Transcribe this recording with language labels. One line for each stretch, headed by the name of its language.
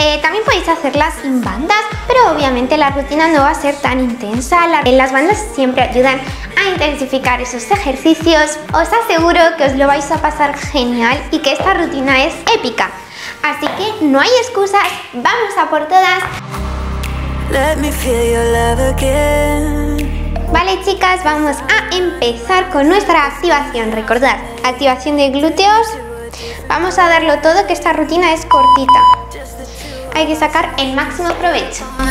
Spanish: También podéis hacerlas sin bandas, pero obviamente la rutina no va a ser tan intensa. Las bandas siempre ayudan a intensificar esos ejercicios. Os aseguro que os lo vais a pasar genial y que esta rutina es épica. Así que no hay excusas, ¡vamos a por todas!
English: Let me feel your love again.
Spanish: Vale, chicas, vamos a empezar con nuestra activación. Recordad, activación de glúteos. Vamos a darlo todo, que esta rutina es cortita. Hay que sacar el máximo provecho.